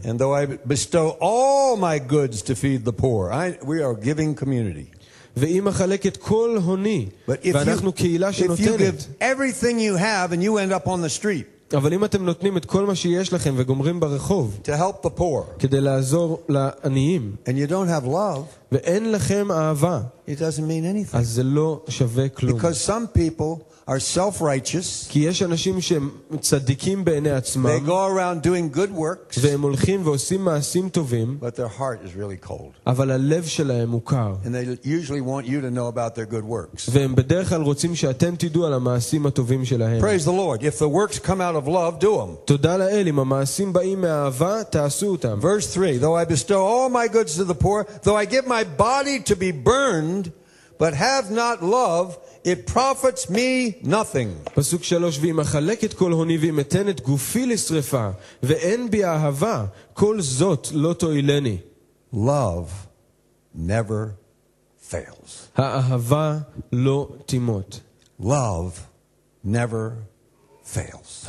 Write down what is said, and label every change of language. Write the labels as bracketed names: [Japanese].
[English] And though I bestow all my goods to feed the poor, we are giving community. [Hebrew] ואם אחלק את כל הוני, ואנחנו קהילה שנותנת. [English] If you give everything you have and you end up on the street, [Hebrew] אבל אם אתם נותנים את כל מה שיש לכם וגומרים ברחוב כדי לעזור לעניים ואין לכם אהבה, אז זה לא שווה כלום. [English] Are self-righteous. [Hebrew] כי יש אנשים שהם צדיקים בעיני עצמם. [English] They go around doing good works. [Hebrew] והם הולכים ועושים מעשים טובים. [English] But their heart is really cold. [Hebrew] אבל הלב שלהם הוא קר. [English] And they usually want you to know about their good works. [Hebrew] והם בדרך כלל רוצים שאתם תדעו על המעשים הטובים שלהם. [English] Praise the Lord. If the works come out of love, do them. [Hebrew] תודה לאל, אם המעשים באים מאהבה, תעשו אותם. [English] Verse 3. Though I bestow all my goods to the poor, though I give my body to be burned, but have not love, it profits me nothing. [Hebrew] פסוק 3. ואם אחלק את כל הוני ואם אתן את גופי לשריפה ואין בי אהבה, כל זאת לא תועילני. [English] Love never fails. [Hebrew] האהבה לא תימות. [English] Love never fails.